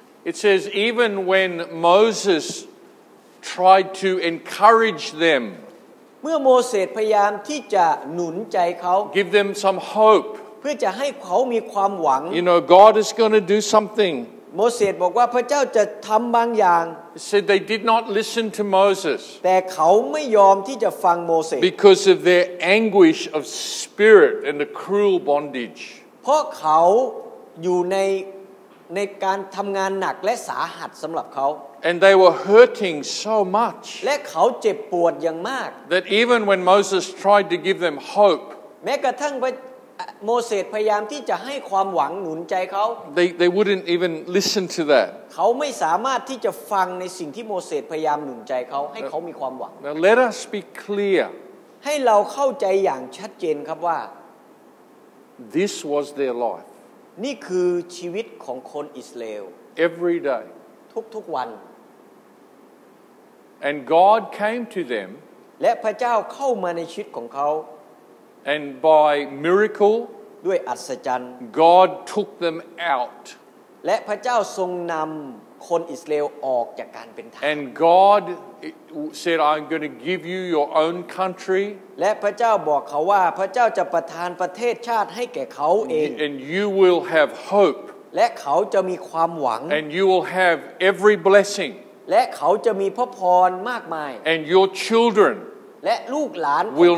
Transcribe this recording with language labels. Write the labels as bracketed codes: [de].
[en] It says even when Moses tried to encourage them [th] เมื่อโมเสสพยายามที่จะหนุนใจเขา [en] Give them some hope [th] เพื่อจะให้เขามีความหวัง [en] You know God is going to do something [th] โมเสสบอกว่าพระเจ้าจะทําบางอย่าง [en] Said they did not listen to Moses [th] แต่เขาไม่ยอมที่จะฟังโมเสส [en] Because of their anguish of spirit and the cruel bondage [th] เพ พราะเขาอยู่ในการทำงานหนักและสาหัสสำหรับเขา [en] And they were hurting so much [th] และเขาเจ็บปวดอย่างมาก [en] That even when Moses tried to give them hope [th] แม้กระทั่งโมเสสพยายามที่จะให้ความหวังหนุนใจเขา [en] They wouldn't even listen to that [th] เขาไม่สามารถที่จะฟังในสิ่งที่โมเสสพยายามหนุนใจเขาให้เขามีความหวัง [en] Now let us be clear [th] ให้เราเข้าใจอย่างชัดเจนครับว่า [en] This was their life [th] นี่คือชีวิตของคนอิสราเอล [en] every day [th] ทุกวัน [en] and God came to them [th] และพระเจ้าเข้ามาในชีวิตของเขา [en] and by miracle [th] ด้วยอัศจรรย์ [en] God took them out [th] และพระเจ้าทรงนำคนอิสราเอลออกจากการเป็นทาส [en] and God said I'm going to give you your own country [th] และพระเจ้าบอกเขาว่าพระเจ้าจะประทานประเทศชาติให้แก่เขาเอง [en] and you will have hope [th] และเขาจะมีความหวัง [en] and you will have every blessing [th] และเขาจะมีพระพรมากมาย [en] and your children [th] และลูกหลานของเขา